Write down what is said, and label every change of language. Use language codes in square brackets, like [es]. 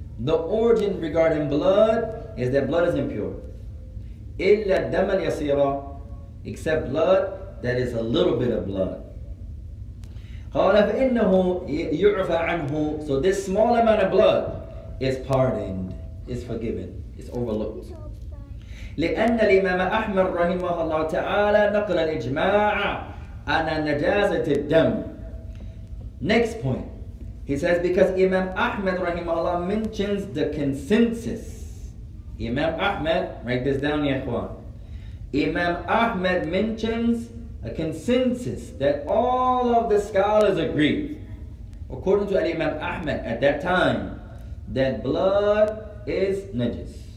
[en] The origin regarding blood is that blood is impure. [ar] Illa dam al yasira, [en] except blood that is a little bit of blood. [ar] Qala fa innahu yu'fa anhu. [en] So this small amount of blood is pardoned, is forgiven. It's overlooked. [ar] لأن الإمام أحمد رحمه الله تعالى نقل الإجماع عن نجاسة الدم. [en] Next point. He says because Imam Ahmed رحمه الله mentions the consensus. Imam Ahmed, write this down, [ar] يا إخوان. [en] Imam Ahmed mentions a consensus that all of the scholars agree, according to Imam Ahmed at that time, that blood is najis.